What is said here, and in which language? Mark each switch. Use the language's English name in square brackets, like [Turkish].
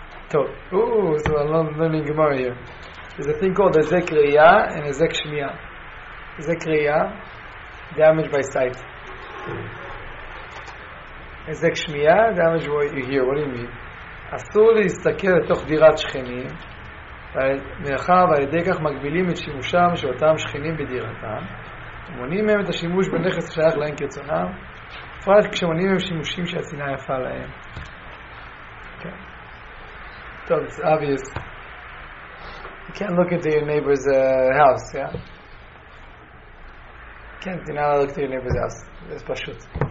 [English] So I'm learning Gemara here. There's a thing called a Zekriya and a Zek Shmiya. Zekriya, damage by sight. A Zek Shmiya, damage by what you hear. What do you mean? [Hebrew] אסור להסתכל לתוך דירת שכנים, מאחר ועל ידי כך מגבילים את שימושם של אותם שכנים בדירתם, ומונעים מהם את השימוש בנכס השייך להם כרצונם, בפרט כשמונעים מהם שימושים שהצינה יפה להם. טוב, [English] it's obvious. You can't look into your neighbor's house, yeah? Can't deny to look into your neighbor's house. That's פשוט.